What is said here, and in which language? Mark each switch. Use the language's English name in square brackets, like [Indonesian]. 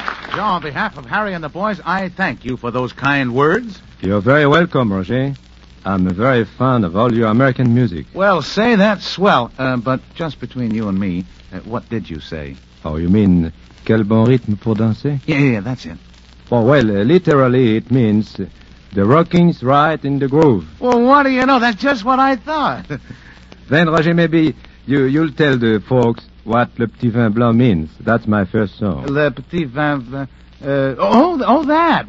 [English] Jean, on behalf of Harry and the boys, I thank you for those kind words. You're very welcome, Roger. I'm a very fan of all your American music. Well, say that swell, but just between you and me, what did you say? Oh, you mean, [French] quel bon rythme pour danser? [English] Yeah, that's it. Well, literally, it means the rocking's right in the groove. Well, what do you know? That's just what I thought. Then, Roger, maybe you'll tell the folks what Le Petit Vin Blanc means. That's my first song. Le Petit Vin Blanc... that.